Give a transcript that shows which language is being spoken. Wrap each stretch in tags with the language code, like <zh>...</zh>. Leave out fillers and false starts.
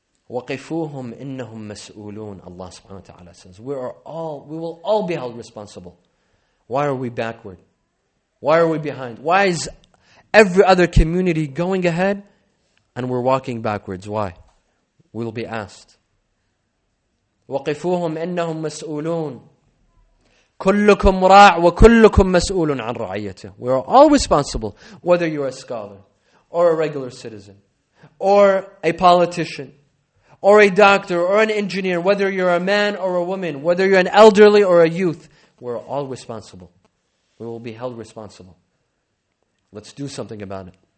<ar>وَقِفُوهُمْ إِنَّهُمْ مَسْئُولُونَ</ar> <en>Allah subhanahu wa ta'ala says, we will all be held responsible. Why are we backward? Why are we behind? Why is every other community going ahead and we're walking backwards? Why? We'll be asked.</en> <ar>وَقِفُوهُمْ إِنَّهُمْ مَسْئُولُونَ كلكم راع وكلكم مسؤول عن رعيته.</ar> <en>We are all responsible, whether you're a scholar or a regular citizen or a politician or a doctor or an engineer, whether you're a man or a woman, whether you're an elderly or a youth, we're all responsible. we will be held responsible. Let's do something about it.</en>